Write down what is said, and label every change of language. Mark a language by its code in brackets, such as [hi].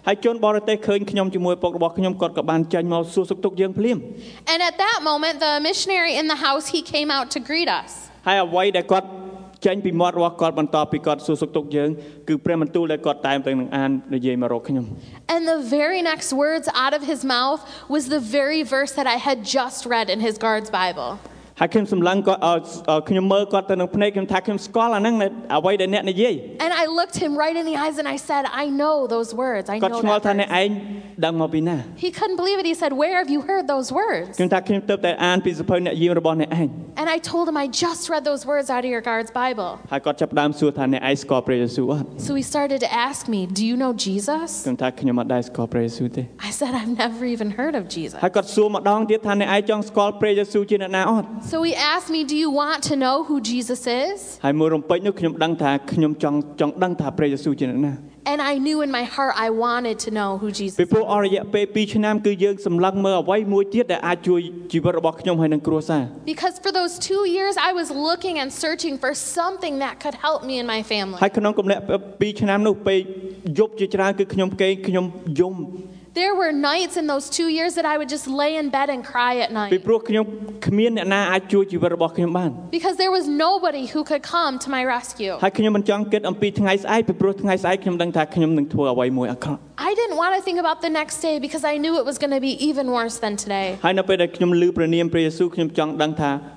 [km] ហើយជូនបរទេសឃើញខ្ញុំជាមួយពុករបស់ខ្ញុំគាត់ក៏បានចាញ់មកសួរសុខទុក្ខយើងភ្លាម [en] And at that moment, the missionary in the house, he came out to greet us. [km] ហើយអ្វីដែលគាត់ចាញ់ពីមាត់របស់គាត់បន្តពីគាត់សួរសុខទុក្ខយើងគឺព្រះបន្ទូលដែលគាត់តាមទៅនឹងអាននិយាយមករកខ្ញុំ [en] And the very next words out of his mouth was the very verse that I had just read in his guard's Bible. [km] ហើយខ្ញុំសម្លឹងគាត់ខ្ញុំមើលគាត់ទៅនឹងភ្នែកខ្ញុំថាខ្ញុំស្គាល់អាហ្នឹងអ្វីដែលអ្នកនិយាយ [en] And I looked him right in the eyes and I said I know those words I know [km] គាត់ឆ្ងល់ថាអ្នកឯងដឹងមកពីណា [en] He couldn't believe it he said where have you heard those words [km] ខ្ញុំថាខ្ញុំទៅតែអានពីសភុអ្នកយាមរបស់អ្នកឯង [en] And I told him I just read those words out of your guard's Bible [km] ហើយគាត់ចាប់ផ្ដើមសួរថាអ្នកឯងស្គាល់ព្រះយេស៊ូវអត់ [en] So he started to ask me do you know Jesus [km] ខ្ញុំថាខ្ញុំអត់ដែរស្គាល់ព្រះយេស៊ូវទេ [en] I said I've never even heard of Jesus [km] ហើយគាត់សួរម្ដងទៀតថាអ្នកឯងចង់ស្គាល់ព្រះយេស៊ូវជាអ្នកណាអត់ [en] So he asked me, "Do you want to know who Jesus is?" [km] ហើយមួយរំពេចនោះខ្ញុំដឹងថាខ្ញុំចង់ដឹងថាព្រះយេស៊ូវជាអ្នកណា [en] And I knew in my heart I wanted to know who Jesus is. [km] ពីព្រោះអរិយពេល2ឆ្នាំគឺយើងសម្លឹងមើលអ្វីមួយទៀតដែលអាចជួយជីវិតរបស់ខ្ញុំហើយនឹងគ្រួសារ [en] Because for those 2 years I was looking and searching for something that could help me and my family. [km] ហើយក្នុងកំឡុង2ឆ្នាំនោះពេលយប់ជាច្រើនគឺខ្ញុំគេងខ្ញុំយំ [en] There were nights in those 2 years that I would just lay in bed and cry at night. [km] ពីព្រោះខ្ញុំគ្មានអ្នកណាអាចជួយជីវិតរបស់ខ្ញុំបាន [en] Because there was nobody who could come to my rescue. [km] ហើយខ្ញុំមិនចង់គិតអំពីថ្ងៃស្អែកពីព្រោះថ្ងៃស្អែកខ្ញុំដឹងថាខ្ញុំនឹងធ្វើអ្វីមួយអាក្រក់ [en] I didn't want to think about the next day because I knew it was going to be even worse than today. [km] ហើយនៅពេលដែលខ្ញុំឮព្រះនាមព្រះយេស៊ូវខ្ញុំចង់ដឹងថា